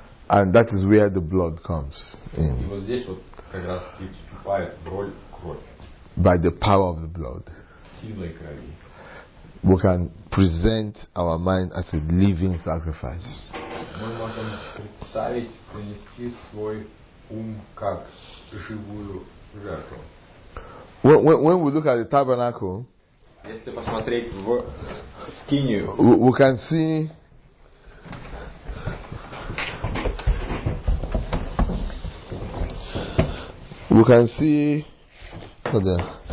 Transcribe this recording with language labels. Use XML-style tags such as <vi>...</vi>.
<en>And that is where the blood comes in.</en> <ru>И вот здесь вот как раз и вступает в роль кровь.</ru> <en>By the power of the blood.</en> <ru>Силой крови.</ru> <en>We can present our mind as a living sacrifice.</en> <ru>Мы можем представить, принести свой ум как живую жертву.</ru> <en>When we look at the tabernacle,</en> <ru>если посмотреть в скинию,</ru> <en>we can see oh there.</en>